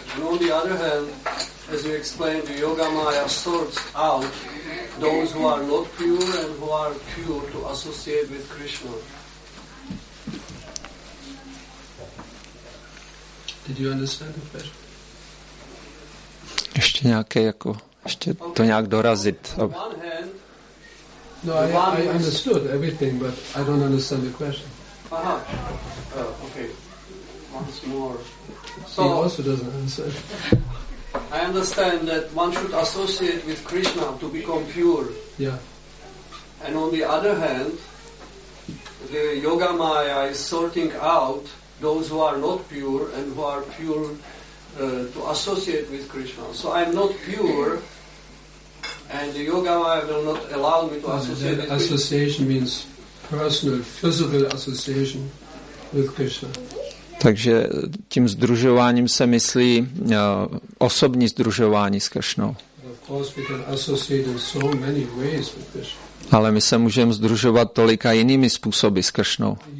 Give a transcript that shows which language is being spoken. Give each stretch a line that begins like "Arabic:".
English: And on the other hand, as you explained, the Yoga Maya sorts out those who are not pure and who are pure to associate with Krishna. Did you understand it better?
Czech: Ještě nějaké jako, ještě okay. To nějak dorazit. Aby...
English: No, I understood everything, but I don't understand the question. Aha. Okay. Once more. So, he also doesn't answer. I understand that one should associate with Krishna to become pure. Yeah. And on the other hand, the Yoga Maya is sorting out those who are not pure and who are pure to associate with Krishna. So I am not pure and the Yoga Maya will not allow me to associate with Krishna. Association means personal, physical association with Krishna.
Czech: Takže tím sdružováním se myslí osobní sdružování s Krishnou.
English: Of course we can associate in so many ways with Krishna.
Czech: Ale my se můžeme sdružovat tolika jinými způsoby s Kršnou.